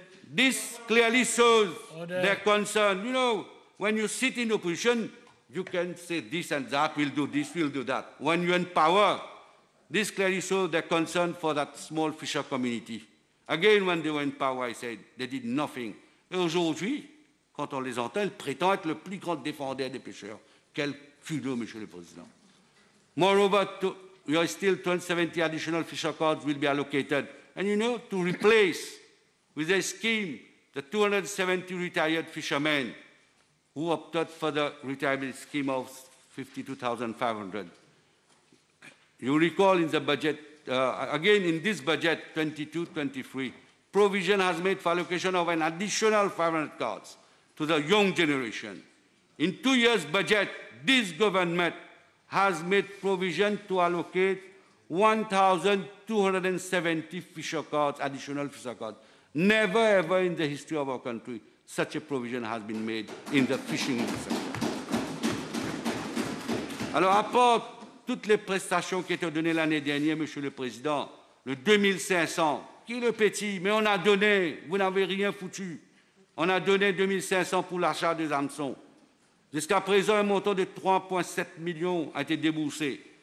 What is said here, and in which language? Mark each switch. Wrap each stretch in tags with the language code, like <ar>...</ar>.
<en>This clearly shows order. Their concern. You know, when you sit in opposition, you can say this and that, we'll do this, we'll do that. When you're in power, this clearly shows their concern for that small fisher community. Again, when they were in power, I said, they did nothing.</en> <fr>Et aujourd'hui, quand on les entend, ils prétendent être le plus grand défendeur des pêcheurs. Quel culot, Monsieur le Président.</fr> <en>Moreover, there are still 270 additional fisher cards will be allocated. And you know, to replace with a scheme the 270 retired fishermen who opted for the retirement scheme of 52,500. You recall in the budget, again, in this budget, 22-23, provision has made for allocation of an additional 500 cards to the young generation. In 2 years' budget, this government has made provision to allocate 1,270 fisher cards, additional fisher cards. Never ever in the history of our country such a provision has been made in the fishing sector.</en> <fr>Alors, à part toutes les prestations qui étaient données l'année dernière, Monsieur le Président, le 2500, qui est le petit, mais on a donné, vous n'avez rien foutu, on a donné 2500 pour l'achat des hameçons. Jusqu'à présent, un montant de 3,7 millions a été déboursé.</fr>